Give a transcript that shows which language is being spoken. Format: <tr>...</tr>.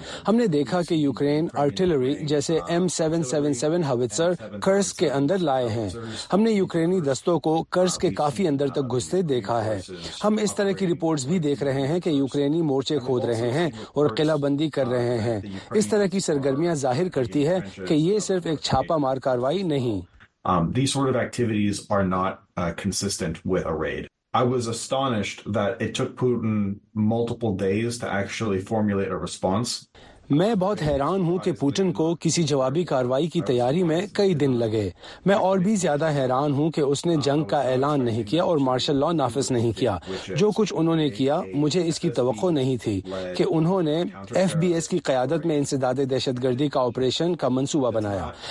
<hi>हमने देखा कि यूक्रेन आर्टिलरी जैसे M777 हवित्सर कर्स के अंदर लाए हैं। हमने यूक्रेनी दस्तों को कर्स के काफी अंदर तक घुसते देखा है। हम इस तरह की रिपोर्ट्स भी देख रहे हैं कि यूक्रेनी मोर्चे खोद रहे हैं और किलाबंदी कर रहे हैं। इस तरह की सरगर्मियाँ जाहिर करती है कि ये सिर्फ एक छापा मार कार्रवाई नहीं।</hi> <en>These sort of activities are not consistent with a raid. I was astonished that it took Putin multiple days to actually formulate a response.</en> <hi>मैं बहुत हैरान हूं कि पुतिन को किसी जवाबी कार्रवाई की तैयारी में कई दिन लगे। मैं और भी ज्यादा हैरान हूं कि उसने जंग का ऐलान नहीं किया और मार्शल लॉ नाफिस नहीं किया। जो कुछ उन्होंने किया, मुझे इसकी तवक्को नहीं थी कि उन्होंने FBS की क्यादत में इंसदाद दहशतगर्दी का ऑपरेशन का मंसूबा बनाया।</hi>